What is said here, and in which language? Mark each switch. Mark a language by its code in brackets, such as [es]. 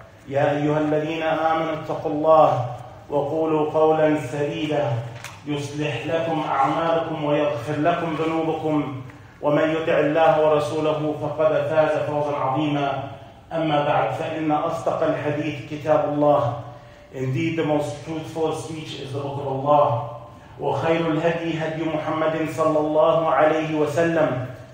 [ar] يا أيها الذين آمنوا اتقوا الله وقولوا قولا سديدا يصلح لكم أعمالكم ويغفر لكم ذنوبكم، ومن يطع الله ورسوله فقد فاز فوزا عظيما. أما بعد، فإن أصدق الحديث كتاب الله. [en] Indeed, the most truthful speech is the book of Allah. [ar] وخير الهدي هدي محمد صلى الله عليه وسلم.